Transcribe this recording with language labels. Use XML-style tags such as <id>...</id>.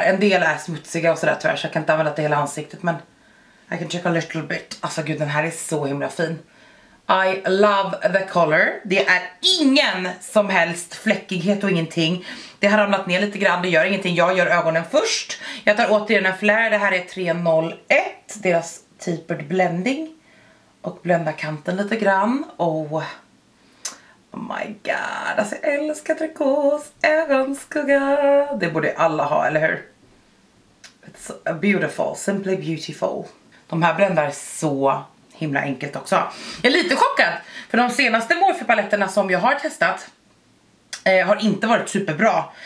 <sv>En del är smutsiga och sådär tyvärr, så jag kan inte använda det hela ansiktet, men</sv> <en>I can check a little bit.</en> <sv>Alltså gud, den här är så himla fin.</sv> <en>I love the color.</en> <sv>Det är ingen som helst fläckighet och ingenting. Det har ramlat ner lite grann, det gör ingenting. Jag gör ögonen först. Jag tar återigen en flare. Det här är 301. Deras tapered blending. Och blända kanten lite grann. Och</sv> <en>oh my god.</en> <sv>Alltså jag älskar trikås. Ögonskugga. Det borde alla ha, eller hur?</sv> <en>It's beautiful. Simply beautiful.</en> <sv>De här bländar så himla enkelt också. Jag är lite chockad, för de senaste Morphe-paletterna som jag har testat har inte varit superbra.</sv>